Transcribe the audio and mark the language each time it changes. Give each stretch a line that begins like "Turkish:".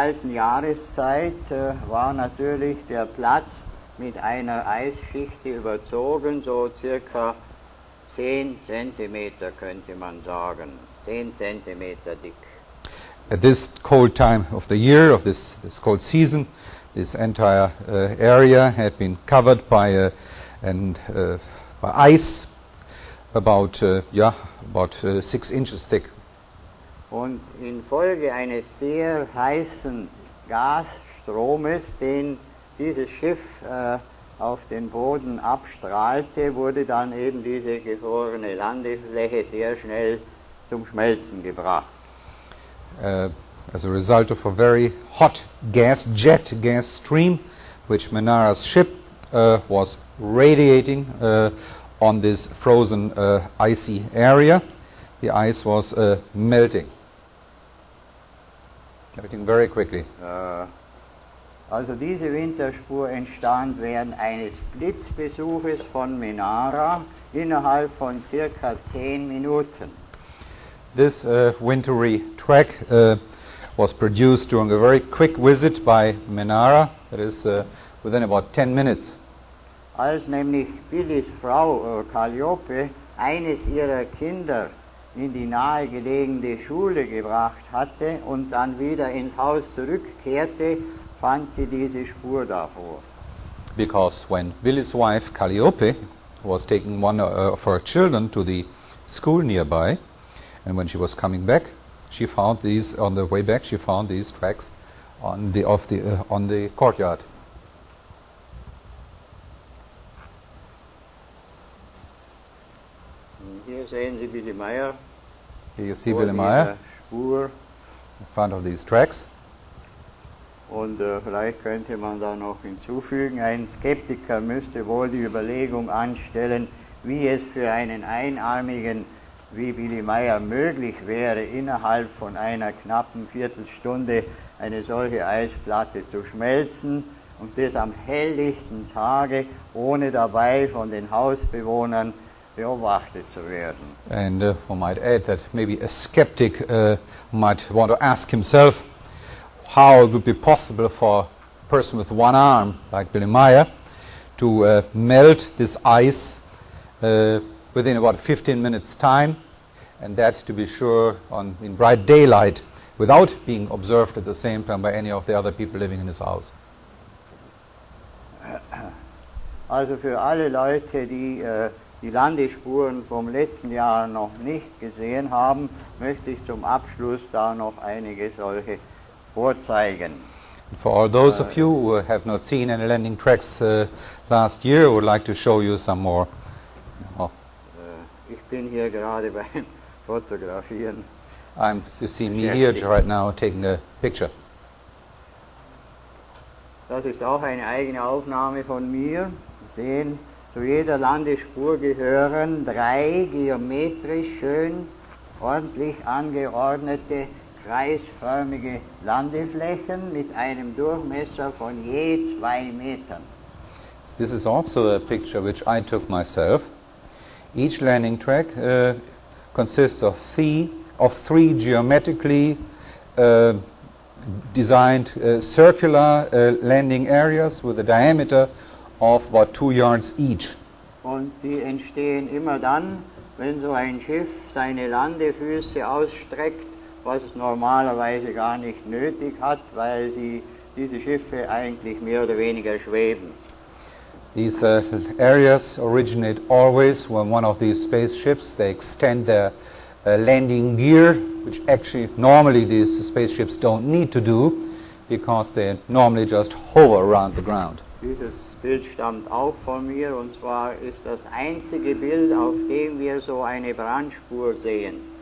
German: Zu dieser kalten Jahreszeit war natürlich der Platz mit einer Eisschicht überzogen, so circa 10 cm könnte man sagen, 10 cm dick.
English: At this cold time of the year, of this cold season, this entire area had been covered by ice about 6 inches thick.
German: Und infolge eines sehr heißen Gasstromes, den dieses Schiff auf den Boden abstrahlte, wurde dann eben diese gefrorene Landefläche sehr schnell zum Schmelzen gebracht.
English: As a result of a very hot gas jet, gas stream, which Manara's ship was radiating on this frozen icy area, the ice was melting very quickly.
German: Also diese Winterspur entstand während eines Blitzbesuches von Manara innerhalb von circa 10 Minuten.
English: This wintry track was produced during a very quick visit by Manara, that is within about 10 minutes.
German: Als nämlich Billys Frau Calliope eines ihrer Kinder in die nahegelegene Schule gebracht hatte und dann wieder ins Haus zurückkehrte, fand sie diese Spur davor.
English: Because when Billy's wife Calliope was taking one of her children to the school nearby, and when she was coming back, she found these on the way back. She found these tracks on the courtyard.
German: Hier sehen Sie Billy Meyer.
English: Here you see Billy Meyer.
German: Spur.
English: In front of these tracks.
German: Und vielleicht könnte man da noch hinzufügen, ein Skeptiker müsste wohl die Überlegung anstellen, wie es für einen Einarmigen wie Billy Meyer möglich wäre, innerhalb von einer knappen Viertelstunde eine solche Eisplatte zu schmelzen und das am helllichten Tage, ohne dabei von den Hausbewohnern beobachtet zu werden.
English: And one might add that maybe a skeptic might want to ask himself, how it would be possible for a person with one arm, like Billy Meyer, to melt this ice within about 15 minutes time, and that to be sure in bright daylight, without being observed at the same time by any of the other people living in his house.
German: Also für alle Leute, die die Landespuren vom letzten Jahr noch nicht gesehen haben, möchte ich zum Abschluss da noch einige solche vorzeigen.
English: And for all those of you who have not seen any landing tracks last year, would like to show you some more.
German: Oh. Ich bin hier gerade beim Fotografieren.
English: You see me here right now taking a picture.
German: Das ist auch eine eigene Aufnahme von mir. Sie sehen, zu jeder Landespur gehören drei geometrisch schön ordentlich angeordnete kreisförmige Landeflächen mit einem Durchmesser von je 2 Metern.
English: This is also a picture which I took myself. Each landing track consists of three geometrically designed circular landing areas with a diameter of about 2 yards each.
German: Und die entstehen immer dann, wenn so ein Schiff seine Landefüße ausstreckt, was es normalerweise gar nicht nötig hat, weil sie diese Schiffe eigentlich mehr oder weniger schweben.
English: These areas originate always when one of these spaceships, they extend their landing gear, which actually normally these spaceships don't need to do, because they normally just hover around the ground.
German: Dieses Bild stammt auch von mir, und zwar ist das einzige Bild, auf dem wir so eine Brandspur sehen.